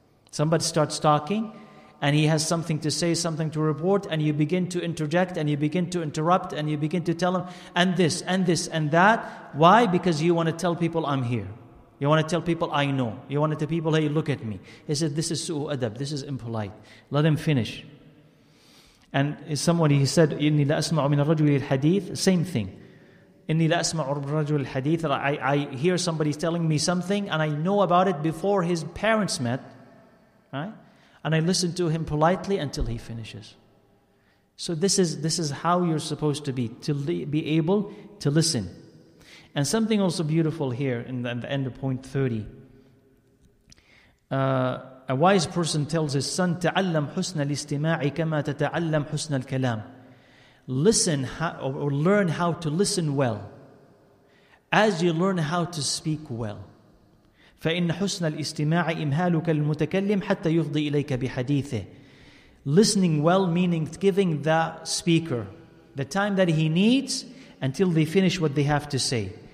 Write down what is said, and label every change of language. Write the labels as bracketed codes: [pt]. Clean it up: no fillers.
[en] Somebody starts talking, and he has something to say, something to report, and you begin to interject, and you begin to interrupt, and you begin to tell him, and this, and this, and that. Why? Because you want to tell people I'm here. You want to tell people I know. You want to tell people, hey, look at me. He said, this is su'u adab, this is impolite. Let him finish. And somebody, he said, [ar] إِنِّي لَأَسْمَعُ مِنَ الرَّجُلِ الْحَدِيثِ. [en] Same thing. [ar] إِنِّي لَأَسْمَعُ مِنَ الرَّجُلِ الْحَدِيثِ. [en] I hear somebody telling me something, and I know about it before his parents met, right? And I listen to him politely until he finishes. So this is how you're supposed to be, to be able to listen. And something also beautiful here in the end of point 30. A wise person tells his son, [ar] تَعَلَّمْ حُسْنَ الْإِسْتِمَاعِ كَمَا تَتَعَلَّمْ حُسْنَ الْكَلَامِ. [en] Listen or learn how to listen well, as you learn how to speak well. [ar] فَإِنَّ حُسْنَ الْإِسْتِمَاعِ إِمْهَالُكَ الْمُتَكَلِّمِ حَتَّى يُفْضِي إِلَيْكَ بِحَدِيثِهِ. [en] Listening well, meaning giving the speaker the time that he needs until they finish what they have to say.